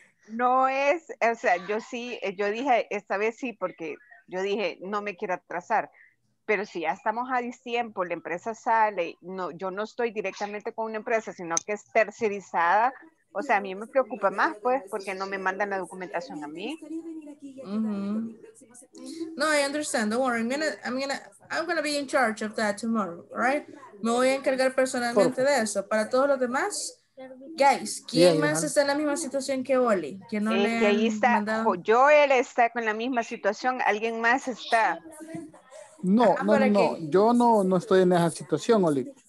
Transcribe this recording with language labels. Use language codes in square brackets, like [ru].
[es] No es, o sea, yo sí, yo dije, esta vez sí, porque yo dije, no me quiero atrasar, pero si ya estamos a destiempo, la empresa sale, no, yo no estoy directamente con una empresa, sino que es tercerizada, o sea, a mí me preocupa más, pues, porque no me mandan la documentación a mí. Mm-hmm. [en] No, I understand, don't worry, I'm gonna be in charge of that tomorrow, right? [es] Me voy a encargar personalmente de eso, para todos los demás. Guys, ¿quién más está en la misma situación que Oli? Que no le ahí está. Mandado? Joel está con la misma situación. ¿Alguien más está? No, no. ¿Qué? Yo no estoy en esa situación, Oli.